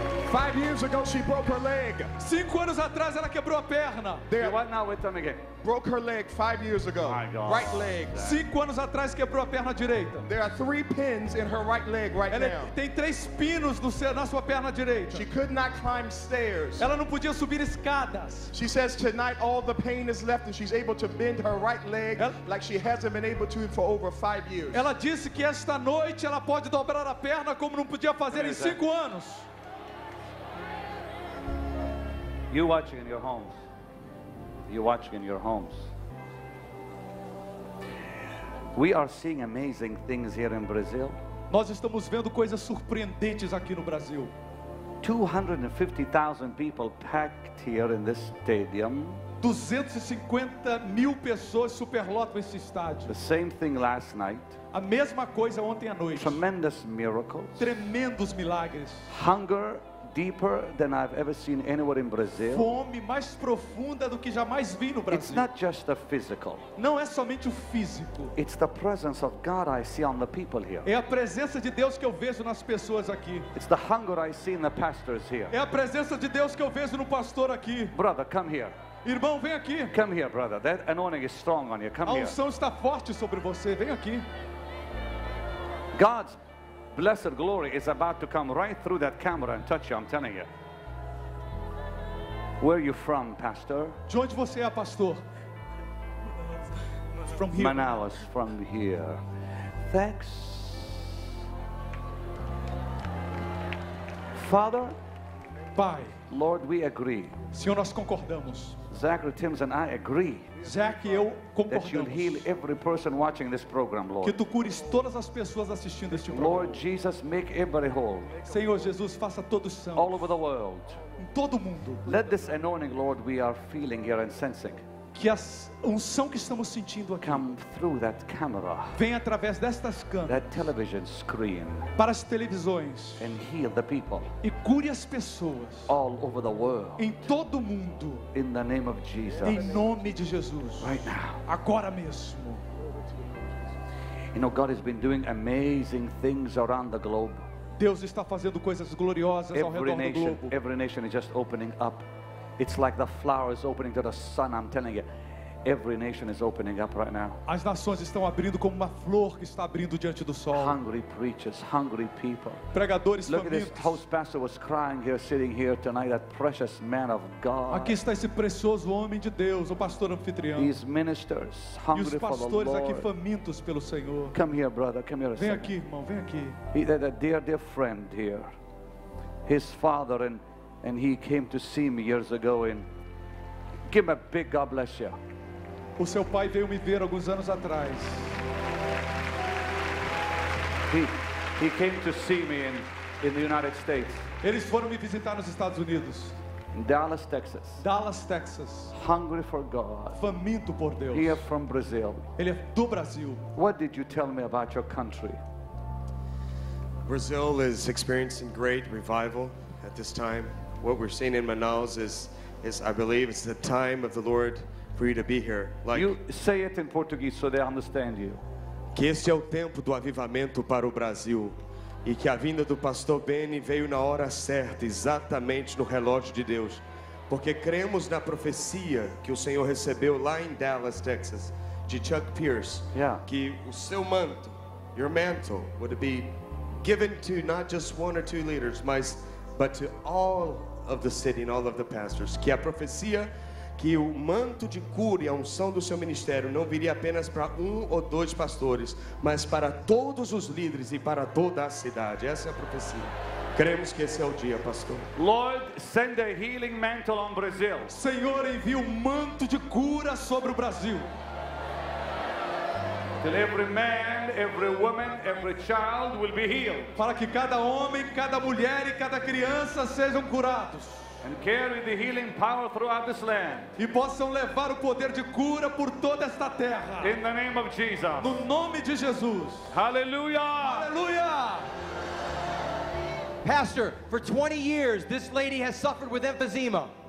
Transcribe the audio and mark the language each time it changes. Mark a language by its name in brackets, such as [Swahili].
[English] Five years ago she broke her leg. [Portuguese] 5 anos atrás ela quebrou a perna. [English] There. What now with them again? Broke her leg 5 years ago. My God. Right leg. [Portuguese] 5 anos atrás quebrou a perna direita. [English] There are 3 pins in her right leg right [Portuguese] ela [English] now. [Portuguese] Ela tem 3 pinos no seu, na sua perna direita. [English] She could not climb stairs. [Portuguese] Ela não podia subir escadas. [English] She says tonight all the pain is left and she's able to bend her right leg [Portuguese] ela... [English] like she hasn't been able to for over 5 years. [Portuguese] Ela disse que esta noite ela pode dobrar a perna como não podia fazer em 5 anos. [English] You watching in your homes. You watching in your homes. We are seeing amazing things here in Brazil. [Portuguese] Nós estamos vendo coisas surpreendentes aqui no Brasil. [English] 250,000 people packed here in this stadium. [Portuguese] 250,000 pessoas superlotam esse estádio. [English] The same thing last night. [Portuguese] A mesma coisa ontem à noite. [English] Tremendous miracles. [Portuguese] Tremendos milagres. [English] Hunger deeper than I've ever seen anywhere in Brazil. [Portuguese] Fome mais profunda do que jamais vi no Brasil. [English] It's not just the physical. [Portuguese] Não é somente o físico. [English] It's the presence of God I see on the people here. [Portuguese] É a presença de Deus que eu vejo nas pessoas aqui. [English] It's the hunger I see in the pastors here. [Portuguese] É a presença de Deus que eu vejo no pastor aqui. [English] Brother, come here. [Portuguese] Irmão, vem aqui. [English] Come here, brother. That anointing is strong on you. Come here. [Portuguese] A unção está forte sobre você. Vem aqui. [English] God's blessed glory is about to come right through that camera and touch you. I'm telling you. Where are you from, pastor? [Portuguese] De onde você é, pastor? [English] From here. Manaus, from here. Thanks. Father, [Portuguese] Pai. [English] Lord, we agree. [Portuguese] Senhor, nós concordamos. [English] Zachary Timms and I agree. [Portuguese] Zach e eu concordamos. [English] That you heal every person watching this program, Lord. [Portuguese] Que tu cures todas as pessoas assistindo este programa. [English] Lord Jesus, make everybody whole. [Portuguese] Senhor Jesus, faça todos sãos. [English] All over the world. [Portuguese] Em todo mundo. [English] Let this anointing, Lord, we are feeling here and sensing. [Portuguese] Que a unção que estamos sentindo aqui. [English] Come through that camera. [Portuguese] Vem através destas câmeras. [English] That television screen. [Portuguese] Para as televisões. [English] And heal the people. [Portuguese] E cure as pessoas. [English] All over the world. [Portuguese] Em todo o mundo. [English] In the name of Jesus. [Portuguese] Em nome de Jesus. [English] Right now. [Portuguese] Agora mesmo. [English] You know, God has been doing amazing things around the globe. [Portuguese] Deus está fazendo coisas gloriosas ao redor do globo. [English] Every nation is just opening up. It's like the flowers opening to the sun. I'm telling you, every nation is opening up right now. [Portuguese] As nações estão abrindo como uma flor que está abrindo diante do sol. [English] Hungry preachers, hungry people. [Portuguese] Pregadores famintos. [English] Look at this host pastor was crying here, sitting here tonight. That precious man of God. [Portuguese] Aqui está esse precioso homem de Deus, o pastor anfitrião. [English] These ministers, hungry for the Lord. [Portuguese] E os pastores aqui famintos pelo Senhor. [English] Come here, brother. Come here. [Portuguese] Vem aqui, irmão. Vem aqui. [English] He's a dear, dear friend here. His father and. And he came to see me years ago and give me a big God bless you. [Portuguese] O seu pai veio me ver alguns anos atrás. [English] He came to see me in the United States. [Portuguese] Eles foram me visitar nos Estados Unidos. [English] In Dallas, Texas. Dallas, Texas. Hungry for God. [Portuguese] Faminto por Deus. [English] He is from Brazil. [Portuguese] Ele é do Brasil. [English] What did you tell me about your country? Brazil is experiencing great revival at this time. What we're seeing in Manaus is I believe it's the time of the Lord for you to be here. Like, you say it in Portuguese so they understand you. [Portuguese] Que este é o tempo do avivamento para o Brasil e que a vinda do pastor Benny veio na hora certa, exatamente no relógio de Deus. Porque cremos na profecia que o Senhor recebeu lá em Dallas, Texas, de Chuck Pierce, [English] yeah. [Portuguese] Que o seu manto, [English] your mantle would be given to not just one or two leaders, [Portuguese] mas [English] but to all of the city and all of the pastors. [Portuguese] Que a profecia, que o manto de cura e a unção do seu ministério não viria apenas para um ou dois pastores, mas para todos os líderes e para toda a cidade. Essa é a profecia. Cremos que esse é o dia, pastor. [English] Lord, send a healing mantle on Brazil. [Portuguese] Senhor, envie um manto de cura sobre o Brasil. [English] Till every man, every woman, every child will be healed. [Portuguese] Para que cada homem, cada mulher e cada criança sejam curados. [English] And carry the healing power throughout this land. [Portuguese] E possam levar o poder de cura por toda esta terra. [English] In the name of Jesus. [Portuguese] No nome de Jesus. [English] Hallelujah. Hallelujah. Pastor, for 20 years this lady has suffered with emphysema.